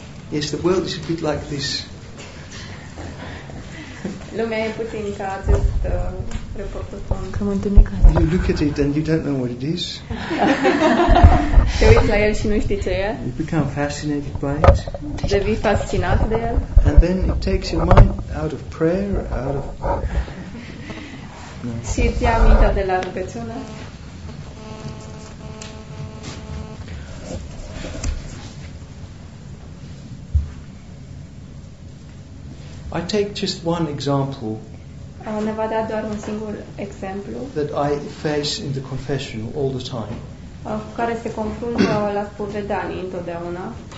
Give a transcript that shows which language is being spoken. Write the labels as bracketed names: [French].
[English] Yes, the world is a bit like this. [Romanian] Lumea e puțin ca acest reportofon. Cam întunecat. [English] You look at it and you don't know what it is. [Romanian] Te uiți la el și nu știi ce e. [English] You become fascinated by it. [Romanian] Devii fascinat de el. [English] And then it takes your mind out of prayer, out of... [Romanian] Și îți ia mintea de la rugăciune. [English] I take just one example [Romanian] ne va da doar un singur exemplu [English] that I face in the confessional all the time. [Romanian] Cu care se confruntă la spovedanie întotdeauna.